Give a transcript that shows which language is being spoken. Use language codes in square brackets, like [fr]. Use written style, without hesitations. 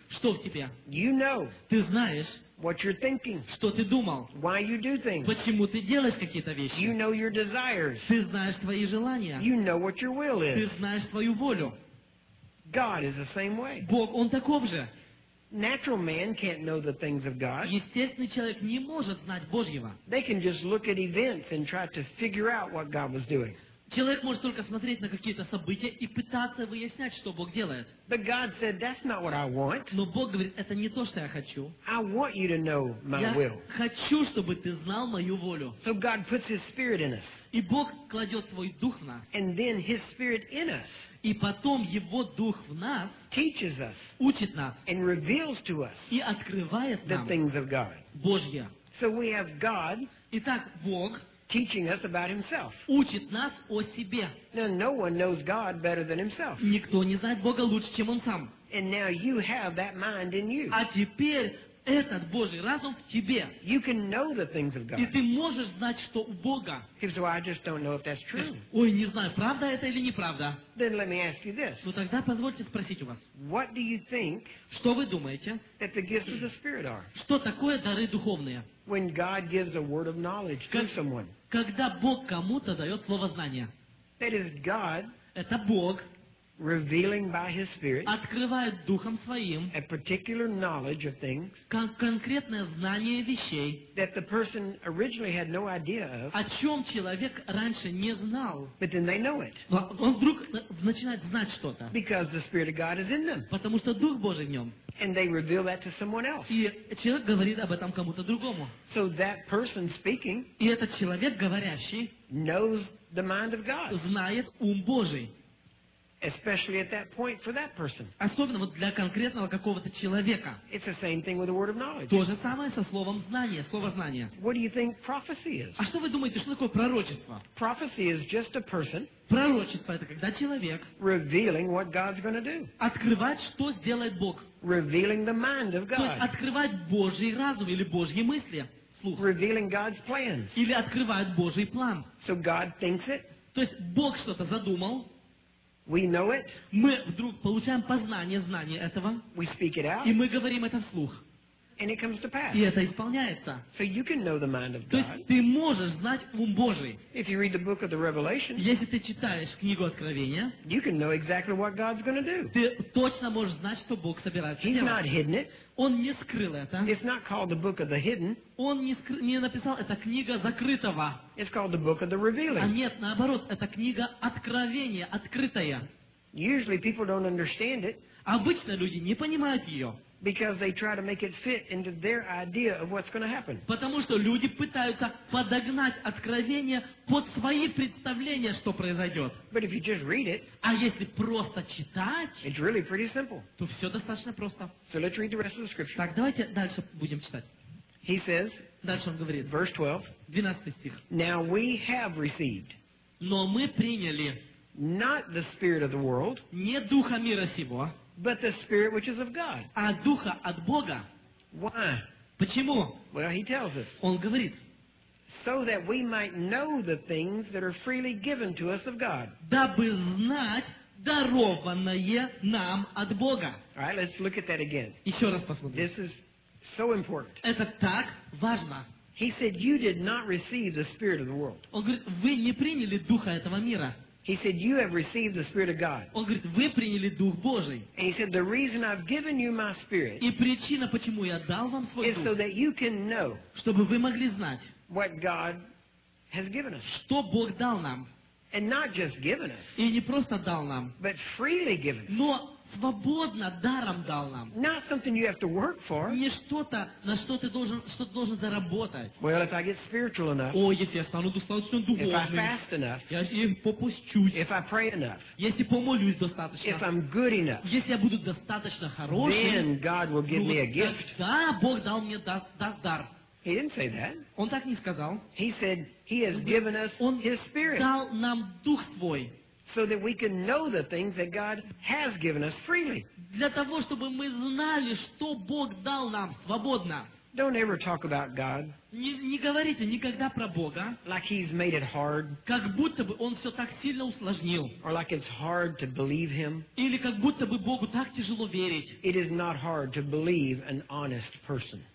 [ru] Что в тебе. [en] You know. [ru] Ты знаешь. [en] What you're thinking. [ru] Что ты думал. [en] Why you do things. [ru] Почему ты делаешь какие-то вещи. [en] You know your desires. [ru] Ты знаешь твои желания. [en] You know what your will is. [ru] Ты знаешь твою волю. [en] God is the same way. [ru] Бог, он таков же. [en] Natural man can't know the things of God. [ru] Естественный человек не может знать Божьего. [en] They can just look at events and try to figure out what God was doing. [ru] Человек может только смотреть на какие-то события и пытаться выяснять, что Бог делает. [en] But God said, "That's not what I want." [ru] Но Бог говорит, это не то, что я хочу. [en] I want you to know my will. [ru] Я хочу, чтобы ты знал мою волю. [en] So God puts His Spirit in us. [ru] И Бог кладет свой дух в нас. [en] And then His Spirit in us. [ru] И потом Его дух в нас. [en] Teaches us. [ru] Учит нас. [en] And reveals to us. [ru] И открывает нам. [en] The things of God. [ru] Божье. [en] So we have God. [ru] Итак, Бог. [en] Teaching us about himself. [ru] Учит нас о себе. [en] Now, no one knows God better than himself. [ru] Никто не знает Бога лучше, чем он сам. [en] And now you have that mind in you. [ru] А теперь этот Божий разум в тебе. [en] You can know the things of God. [ru] И ты можешь знать, что у Бога. [en] So I just don't know if that's true. [ru] Ой, не знаю, правда это или неправда. [en] Then let me ask you this. [ru] Ну тогда позвольте спросить у вас. [en] What do you think? [ru] Что вы думаете? [en] That the gifts of the Spirit are. [ru] Что такое дары духовные? [en] When God gives a word of knowledge to someone. [ru] Когда Бог кому-то дает слово знания. [en] That is God. [ru] Это Бог. [en] Revealing by His Spirit. [ru] Открывает духом своим. [en] A particular knowledge of things. [ru] Конкретное знание вещей. [en] That the person originally had no idea of. [ru] О чем человек раньше не знал. [en] But then they know it. [ru] Он вдруг начинает знать что-то. [en] Because the Spirit of God is in them. [ru] Потому что Дух Божий в нем. [en] And they reveal that to someone else. [ru] И человек говорит об этом кому-то другому. [en] So that person speaking. [ru] И этот человек говорящий. [en] Knows the mind of God. [ru] Знает ум Божий. [en] Especially at that point for that person. [ru] Особенно вот для конкретного какого-то человека. [en] It's the same thing with the word of knowledge. [ru] То же самое со словом знания, слово знания. [en] What do you think prophecy is? [ru] А что вы думаете, что такое пророчество? [en] Prophecy is just a person. [ru] Пророчество это когда человек. [en] Revealing what God's going to do. [ru] Открывать, что сделает Бог. [en] Revealing the mind of God. [ru] То есть открывать Божий разум или Божьи мысли, слух. [en] Revealing God's plans. [ru] Или открывать Божий план. [en] So God thinks it. [ru] То есть Бог что-то задумал. [en] We know it. [ru] Мы вдруг получаем познание, знание этого. [en] We speak it out. [ru] И мы говорим это вслух. [en] And it comes to pass. [ru] И это исполняется. [en] So you can know the mind of God. [ru] То есть ты можешь знать ум Божий. [en] If you read the book of the Revelation. [ru] Если ты читаешь книгу Откровения. [en] You can know exactly what God's going to do. [ru] Ты точно можешь знать, что Бог собирается [en] He's [ru] делать. [en] He's not hidden it. [ru] Он не скрыл это. [en] It's not called the book of the hidden. [ru] Он не написал, это книга закрытого. [en] It's called the book of the revealing. [ru] А нет, наоборот, это книга Откровения, открытая. [en] Usually people don't understand it. [ru] Обычно люди не понимают ее. [en] Because they try to make it fit into their idea of what's going to happen. [ru] Потому что люди пытаются подогнать откровение под свои представления, что произойдет. [en] But if you just read it, [ru] а если просто читать, [en] it's really pretty simple. [ru] То все достаточно просто. [en] So let's read the rest of the scripture. [ru] Так, давайте дальше будем читать. [en] He says, [ru] дальше он говорит, [en] verse 12, [ru] 12 стих, [en] now we have received, [ru] но мы приняли, [en] not the spirit of the world, [ru] не духа мира сего, [en] but the spirit which is of God. [ru] А духа от Бога. [en] Why? [ru] Почему? [en] Well, he tells us. [ru] Он говорит. [en] So that we might know the things that are freely given to us of God. [ru] Дабы знать дарованное нам от Бога. [en] All right, let's look at that again. [ru] Еще раз посмотрим. [en] This is so important. [ru] Это так важно. [en] He said, you did not receive the spirit of the world. [ru] Он говорит, вы не приняли духа этого мира. [en] He said, "You have received the Spirit of God." [ru] Он говорит, вы приняли Дух Божий. [en] And he said, "The reason I've given you my Spirit." [ru] И причина, почему я дал вам свой дух. [en] Is so that you can know. [ru] Чтобы вы могли знать. [en] What God has given us. [ru] Что Бог дал нам. [en] And not just given us. [ru] И не просто дал нам. [en] But freely given us. [ru] Но свободно даром дал нам. [en] Not something you have to work for. [ru] Не что-то, на что ты должен, что ты должен заработать. [en] Well, if I get spiritual enough. [ru] О, если я стану достаточно духовным. [en] If I fast enough. [ru] Если я попущусь. [en] If I pray enough. [ru] Если помолюсь достаточно. [en] If I'm good enough. [ru] Если я буду достаточно хорошим. [en] Then God will give me a gift. [ru] Да, Бог дал мне даст дар. [en] He didn't say that. [ru] Он так не сказал. [en] He said He has given us His Spirit. [ru] Он дал нам Дух Свой. [en] So that we can know the things that God has given us freely. [ru] Для того, чтобы мы знали, что Бог дал нам свободно. [en] Don't ever talk about God. [ru] Не говорите никогда про Бога. [en] Like He's made it hard. [ru] Как будто бы Он все так сильно усложнил. [en] Or like it's hard to believe Him. [ru] Или как будто бы Богу так тяжело верить. [en] It is not hard to believe an honest person.